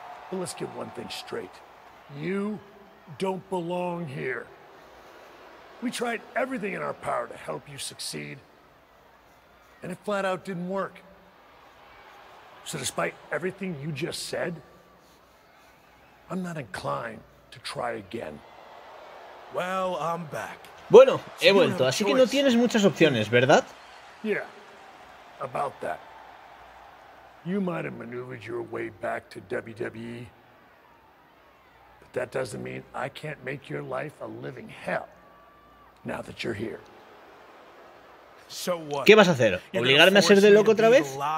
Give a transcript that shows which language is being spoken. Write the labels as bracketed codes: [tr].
[en] But let's get one thing straight. You don't belong here. We tried everything in our power to help you succeed, and it flat out didn't work. So despite everything you just said, I'm not inclined to try again. Well, I'm back. [es] Bueno, he vuelto, así que no tienes muchas opciones, ¿verdad? [en] Yeah, about that. You might have maneuvered your way back to WWE, but that doesn't mean I can't make your life a living hell now that you're here. So what? [es] ¿Qué vas a hacer? ¿Obligarme a ser de loco otra vez?